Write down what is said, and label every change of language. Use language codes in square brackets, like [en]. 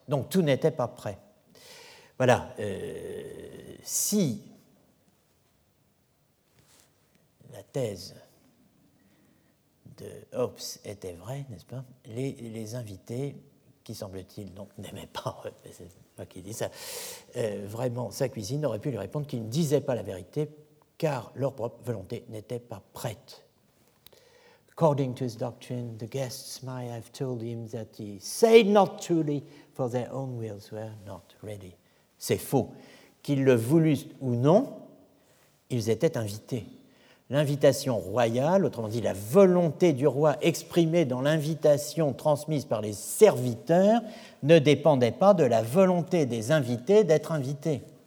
[fr] Donc tout n'était pas prêt. Voilà. Si la thèse de Hobbes était vraie, n'est-ce pas, les invités, qui semble-t-il donc n'aimaient pas, c'est moi qui dis ça, vraiment sa cuisine, aurait pu lui répondre qu'ils ne disaient pas la vérité, car leur propre volonté n'était pas prête. [en] According to his doctrine, the guests might have told him that he said not truly, for their own wills were not ready. [fr] C'est faux. Qu'ils le voulussent ou non, ils étaient invités. L'invitation royale, autrement dit la volonté du roi exprimée dans l'invitation transmise par les serviteurs, ne dépendait pas de la volonté des invités d'être invités.